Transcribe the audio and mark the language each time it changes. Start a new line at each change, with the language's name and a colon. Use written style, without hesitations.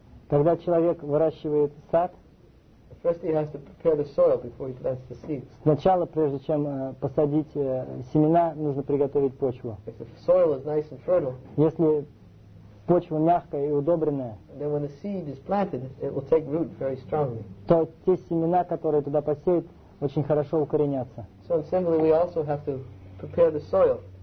Russian: Когда человек выращивает сад.
English: First he has to prepare the soil before he plants the seeds.
Russian: Сначала, прежде чем посадить семена, нужно приготовить почву.
English: If the soil is nice and fertile,
Russian: если почва мягкая и удобренная,
English: then when the seed is planted, it will take root very strongly.
Russian: То те семена, которые туда посеют, очень хорошо укоренятся.
English: So similarly, we also have to prepare the soil.